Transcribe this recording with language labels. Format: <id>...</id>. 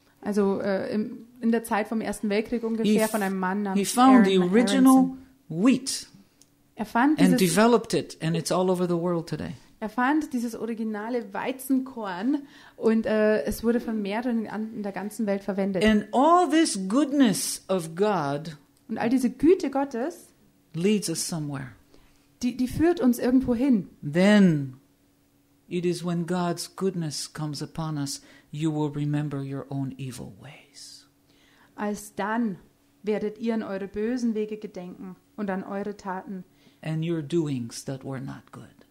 <de>Also in der Zeit vom Ersten Weltkrieg ungefähr he von einem Mann namens</de> <en>Aaron. He found the original Aronson. Wheat.</en> <de>Er fand</de> <en>and developed it, and it's all over the world today.</en> <de>Er fand dieses originale Weizenkorn und es wurde vermehrt und in der ganzen Welt verwendet.</de> <en>And all this goodness of God</en> <de>und all diese Güte Gottes</de> <en>leads us somewhere.</en> <de>Die führt uns irgendwo hin.</de> <en>Then it is when God's goodness comes upon us, you will remember your own evil ways.</en> <de>Als dann werdet ihr an eure bösen Wege gedenken und an eure Taten.</de> <en>And your doings that were not good.</en>